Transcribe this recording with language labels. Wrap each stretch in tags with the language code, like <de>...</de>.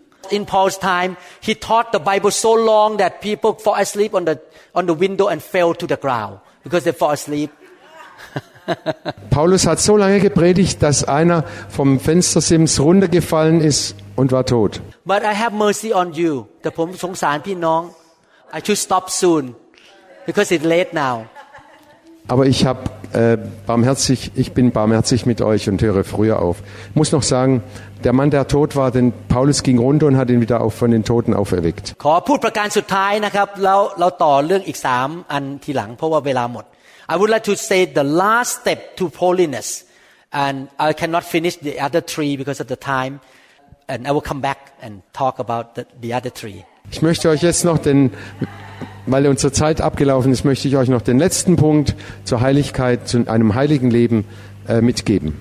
<en>In Paul's time, he taught the Bible so long that people fall asleep on the window and fell to the ground because they fall asleep.</en> <de>Paulus hat so lange gepredigt, dass einer vom Fenstersims runtergefallen ist und war tot.</de> <en>But I have mercy on you.</en> <th>แต่ผมสงสารพี่น้อง</th> <en>I should stop soon because it's late now.</en> <de>Aber ich bin barmherzig mit euch und höre früher auf. Ich muss noch sagen, der Mann, der tot war, denn Paulus ging runter und hat ihn wieder auch von den Toten auferweckt.</de> <th>ขอพูดประการสุดท้ายนะครับแล้วเราต่อเรื่องอีก3อันทีหลังเพราะว่าเวลาหมด</th> <en>I would like to say the last step to holiness, and I cannot finish the other three because of the time, and I will come back and talk about the other three.</en> <de>Ich möchte euch jetzt noch den, weil unsere Zeit abgelaufen ist, möchte ich euch noch den letzten Punkt zur Heiligkeit, zu einem heiligen Leben mitgeben.</de>